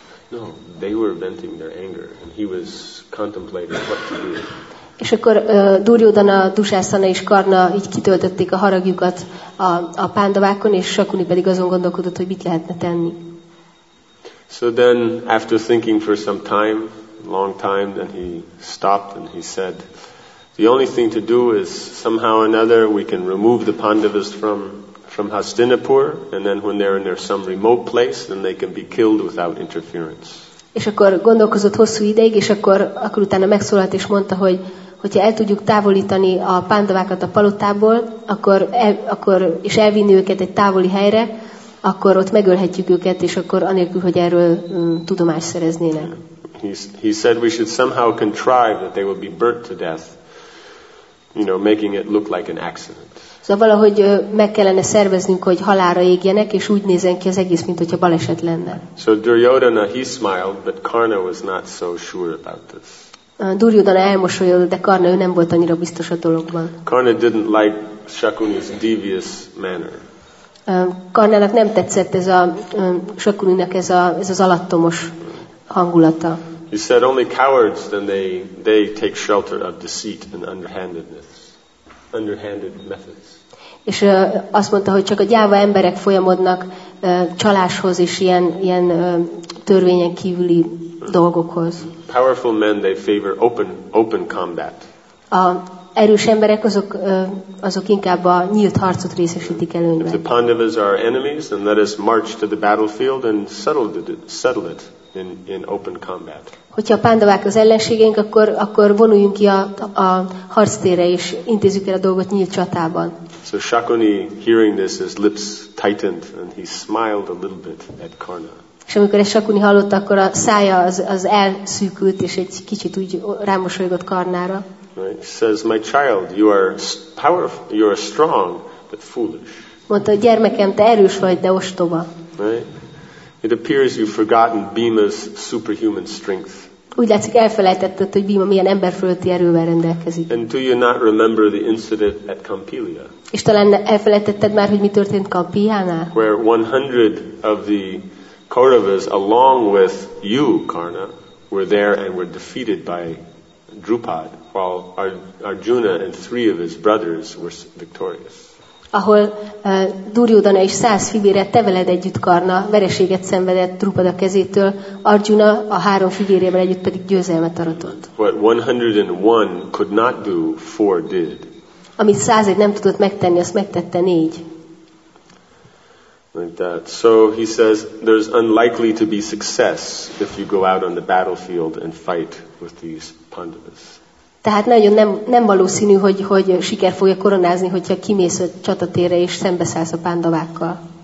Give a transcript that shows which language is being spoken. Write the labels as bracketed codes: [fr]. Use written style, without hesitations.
[en] No, they were venting their anger and he was contemplating what to do. [hu] És akkor Duryodhana, Dushasana és Karna így kitöltötték a haragjukat a Pándavákon, és Shakuni pedig azon gondolkodott, hogy mit lehetne tenni. [en] So then, after thinking for some time, long time, then he stopped and he said, the only thing to do is somehow or another we can remove the Pandavas from Hastinapur, and then when they're in their some remote place, then they can be killed without interference. [hu] És akkor gondolkozott hosszú ideig, és akkor utána megszólalt és mondta, hogyha el tudjuk távolítani a Pándavákat a palotából, és elvinni őket egy távoli helyre, akkor ott megölhetjük őket, és akkor anélkül, hogy erről tudomást szereznének. [en] He said we should somehow contrive that they will be burnt to death, making it look like an accident. [hu] Szóval valahogy meg kellene szerveznünk, hogy halálra égjenek, és úgy nézzen ki az egész, mint hogyha baleset lenne. [en] So Duryodhana, he smiled, but Karna was not so sure about this. [hu] Duryodhana elmosolyodott, de Karna ő nem volt annyira biztos a dologban. [en] Karna didn't like Shakuni's devious manner. [hu] Karnának nem tetszett ez a Shakuninak ez az alattomos hangulata. [en] He said only cowards then they take shelter of deceit and underhanded methods. [hu] És azt mondta, hogy csak a gyáva emberek folyamodnak csaláshoz és ilyen törvényen kívüli dolgokhoz. [en] Powerful men they favor open combat. [hu] Erős emberek azok inkább a nyílt harcot részesítik előnyben. [en] If the Pandavas are our enemies, then let us march to the battlefield and settle it in open combat. [hu] Hogyha a Pandavák az ellenségeink, akkor vonuljunk ki a harctérre és intézzük el a dolgot nyílt csatában. [en] So Shakuni, hearing this, his lips tightened and he smiled a little bit at Karna. [hu] És amikor ezt Shakuni hallotta, akkor a szája az elszűkült és egy kicsit úgy rámosolygott Karnára. [en] Right. Says my child, you are powerful, you are strong, but foolish. [hu] Mondta, gyermekem, te erős vagy, de ostoba. [en] Right. It appears you've forgotten Bhima's superhuman strength. [hu] Úgy látszik, elfelejtetted, hogy Bhima milyen emberfölötti erővel rendelkezik. [en] And do you not remember the incident at Kampilya? [hu] És talán elfelejtetted már, hogy mi történt Kampiyánál? [en] Where 100 of the Kauravas, along with you, Karna, were there and were defeated by Drupad, while Arjuna and 3 of his brothers were victorious. [hu] Ahol Duryodhana és 100 fivére te veled együtt Karna vereséget szenvedett Drupada kezétől, Arjuna a 3 fivérével együtt pedig győzelmet aratott. [en] What 101 could not do, 4 did. [hu] Amit 101 nem tudott megtenni, azt megtette 4. [en] Like that. So he says, there's unlikely to be success if you go out on the battlefield and fight with these Pandavas. [hu] Tehát nagyon nem valószínű, hogy siker fogja koronázni, hogyha kimész a csatatérre és szembeszállsz a Pandavákkal.